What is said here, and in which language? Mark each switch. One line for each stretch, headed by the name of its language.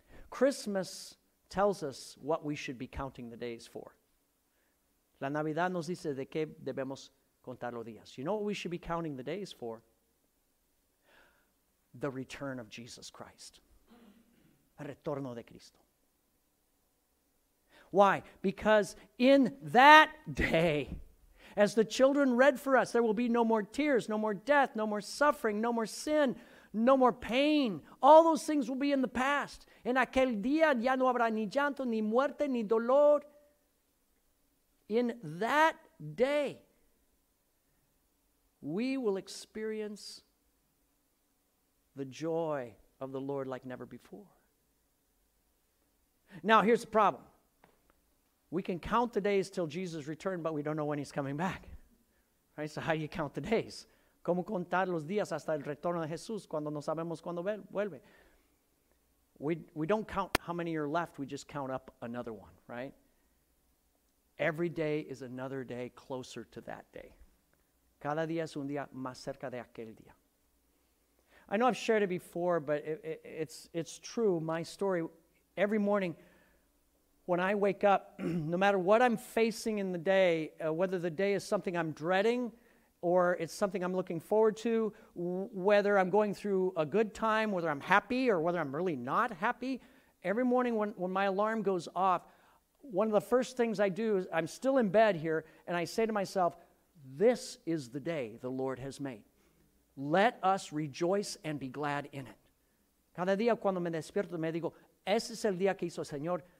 English: Christmas tells us what we should be counting the days for.
Spanish: La Navidad nos dice de qué debemos contar los días.
English: You know what we should be counting the days for? The return of Jesus Christ.
Spanish: El retorno de Cristo.
English: Why? Because in that day, As the children read for us, there will be no more tears, no more death, no more suffering, no more sin, no more pain. All those things will be in the past.
Spanish: En aquel día ya no habrá ni llanto, ni muerte, ni dolor.
English: In that day, we will experience the joy of the Lord like never before. Now, here's the problem. We can count the days till Jesus returns, but we don't know when he's coming back. Right? So how do you count the days?
Spanish: ¿Cómo contar los días hasta el retorno de Jesús cuando no sabemos cuándo vuelve?
English: We don't count how many are left. We just count up another one, right? Every day is another day closer to that day.
Spanish: Cada día es un día más cerca de aquel día.
English: I know I've shared it before, but it's true. My story, every morning when I wake up, no matter what I'm facing in the day, whether the day is something I'm dreading or it's something I'm looking forward to, whether I'm going through a good time, whether I'm happy or whether I'm really not happy, every morning when my alarm goes off, one of the first things I do is I'm still in bed here and I say to myself, this is the day the Lord has made. Let us rejoice and be glad in it.
Spanish: Cada día cuando me despierto me digo, ese es el día que hizo el Señor.